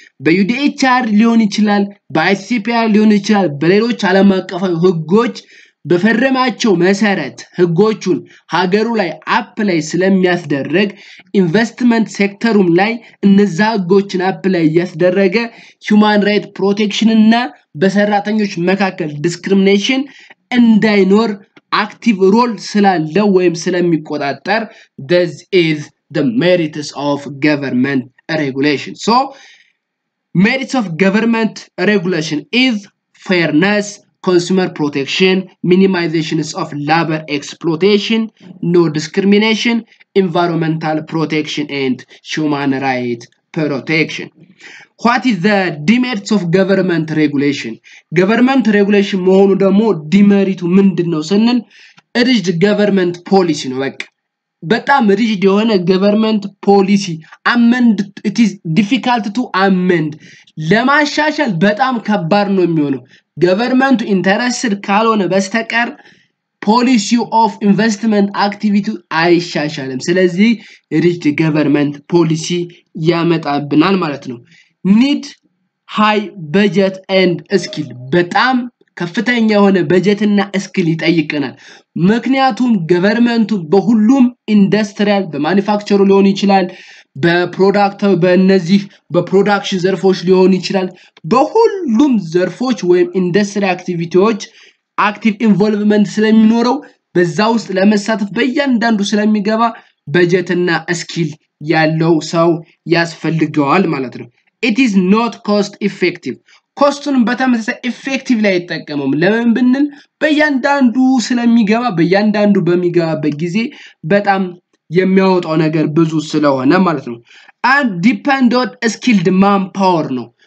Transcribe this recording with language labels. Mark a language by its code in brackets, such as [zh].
[am] በUDHR ሊሆን ይችላል በICPR ሊሆን ይችላል በሌሎች ዓለም አቀፍ ህጎች በፈረማቸው መሰረት ህጎቹን ሀገሩ ላይ አፕላይ ስለሚያስደረግ ኢንቨስትመንት ሴክተሩም ላይ እነዛ ህጎችን አፕላይ ያስደረገ ሂማን ራይት ፕሮቴክሽን እና በሰራተኞች መካከል ዲስክሪሚኔሽን እንዳይኖር አክቲቭ ሮል ስላለው ወይም ስለሚቆጣጠር [en] this is the merits of government regulation. So merits of government regulation is fairness, consumer protection, minimization of labor exploitation, no discrimination, environmental protection and human right protection. What is the demerits of government regulation? Government regulation [am] መሆኑ ደግሞ demeritu ምንድነው ስንል [en] rigid government policy [am] ነው. በቃ በጣም [en] rigid [am] የሆነ [en] government policy amend it is difficult to amend [am] ለማሻሻል በጣም ከባድ ነው የሚሆነው. [en] Government interested [am] ካልሆነ በስተቀር [en] policy of investment activity [am] አይሻሻልም. ስለዚህ [en] rigid government policy [am] ያመጣብናል ማለት ነው. [en] Need high budget and skill. [am] በጣም ከፍተኛ የሆነ በጀት እና skill ይጠይቀናል. ምክንያቱም government በሁሉም industrial በmanufacture ሊሆን ይችላል በፕሮዳክተው በእነዚህ በፕሮዳክሽን ዘርፎች ሊሆን ይችላል በሁሉም ዘርፎች ወይም ኢንዱስትሪ አክቲቪቲዎች አክቲቭ ኢንቮልቭመንት ስለሚኖረው በዛ ውስጥ ለመሳተፍ በእያንዳንዱ ስለሚገባ በጀትና ስኪል ያለው ሰው ያስፈልጋል ማለት ነው. [en] It is not cost effective. [am] ኮስቱን በተመሳሳይ ኤፌክቲቭ ላይ ተጠቀመም ለምን ብንል በእያንዳንዱ ስለሚገባ በእያንዳንዱ በሚገባበት ጊዜ በጣም የሚያወጣው ነገር ብዙ ስለሆነ ማለት ነው. [en] and depend on skilled manpower [am] ነው.